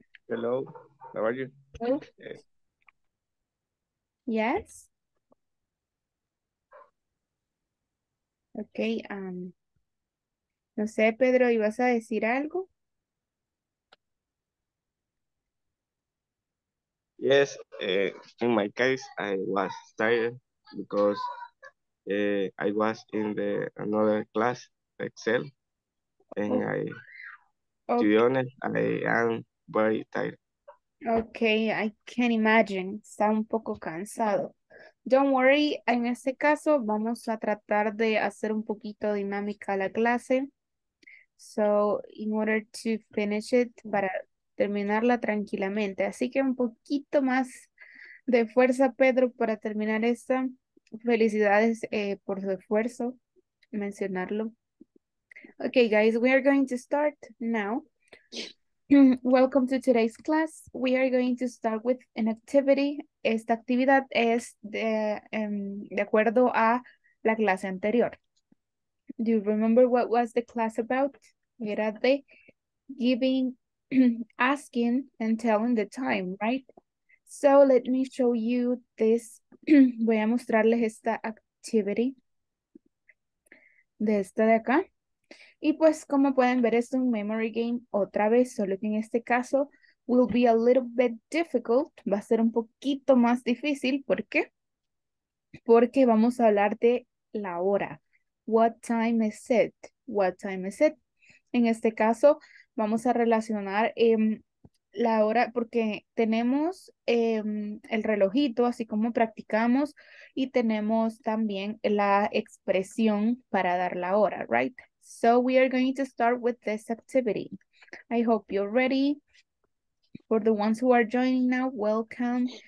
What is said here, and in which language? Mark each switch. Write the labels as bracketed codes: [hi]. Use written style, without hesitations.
[en] Hello, how are you? Yes. [es] Okay, no sé, Pedro, ¿ibas a decir algo? [en] Yes, in my case, I was tired because I was in the another class, Excel, and to be honest, I am very tired. Okay, I can imagine. [es] Está un poco cansado. [en] Don't worry, [es] en este caso vamos a tratar de hacer un poquito dinámica la clase. [en] So, in order to finish it, [es] para terminarla tranquilamente. Así que un poquito más de fuerza, Pedro, para terminar esta. Felicidades por su esfuerzo mencionarlo. [en] Okay, guys, we are going to start now. Welcome to today's class. We are going to start with an activity. [es] Esta actividad es de acuerdo a la clase anterior. [en] Do you remember what was the class about? [es] Era de [en] giving, asking, and telling the time, right? So let me show you this. [es] Voy a mostrarles esta activity de esta de acá. Y pues como pueden ver es un memory game otra vez, solo que en este caso [en] will be a little bit difficult, [es] va a ser un poquito más difícil. ¿Por qué? Porque vamos a hablar de la hora. [en] What time is it? What time is it? [es] En este caso vamos a relacionar la hora porque tenemos el relojito así como practicamos y tenemos también la expresión para dar la hora, right? [en] So we are going to start with this activity. I hope you're ready. For the ones who are joining now, welcome.